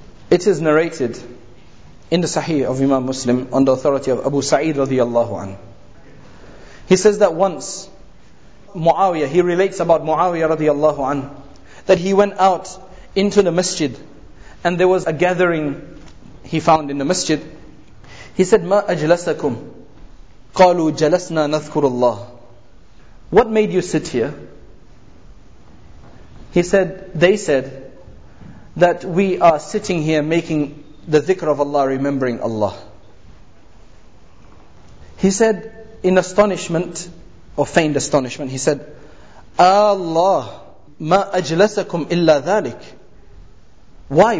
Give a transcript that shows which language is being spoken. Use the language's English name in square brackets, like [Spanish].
[English] It is narrated in the Sahih of Imam Muslim on the authority of Abu Sa'id radiallahu anhu. He says that once Muawiyah, he relates about Muawiyah radiallahu anhu, that he went out into the masjid and there was a gathering he found in the masjid. He said, [Arabic] مَا أَجْلَسَكُمْ قَالُوا جَلَسْنَا نَذْكُرُ اللَّهِ. [English] What made you sit here? He said, they said that we are sitting here making the dhikr of Allah, remembering Allah. He said, in astonishment, or feigned astonishment, he said, Allah, [Arabic] مَا أَجْلَسَكُمْ إِلَّا ذَلِكَ. [English] Why?